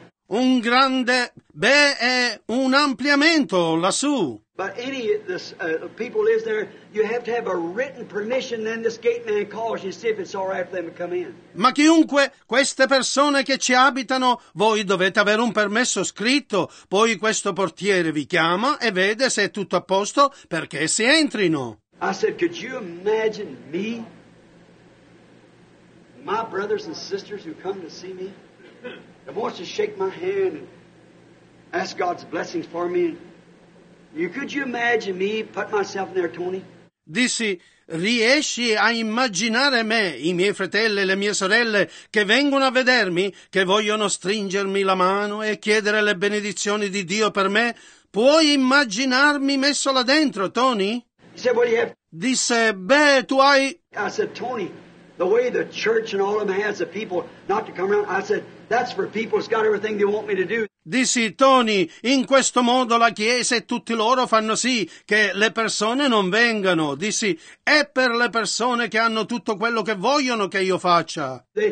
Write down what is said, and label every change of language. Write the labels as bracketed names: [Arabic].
[Italian] Un grande, beh, è un ampliamento lassù. [English] But any of the people is there, you have to have a written permission, then this gate man calls you to see if it's all right for them to come in. [Italian] Ma chiunque, queste persone che ci abitano, voi dovete avere un permesso scritto, poi questo portiere vi chiama e vede se è tutto a posto perché si entrino. [English] I said, could you imagine me, my brothers and sisters who come to see me, that wants to shake my hand and ask God's blessings for me and. Could you imagine me put myself in there, Tony? [Italian] Dissi, riesci a immaginare me, i miei fratelli e le mie sorelle che vengono a vedermi, che vogliono stringermi la mano e chiedere le benedizioni di Dio per me? Puoi immaginarmi messo là dentro, Tony? [English] He said, what do you have? [Italian] Disse, beh, tu hai... [English] I said, Tony, the way the church and all of them has the people not to come around, I said, that's for people who's got everything they want me to do. [Italian] Dissi, Tony, in questo modo la Chiesa e tutti loro fanno sì che le persone non vengano. Dissi, è per le persone che hanno tutto quello che vogliono che io faccia.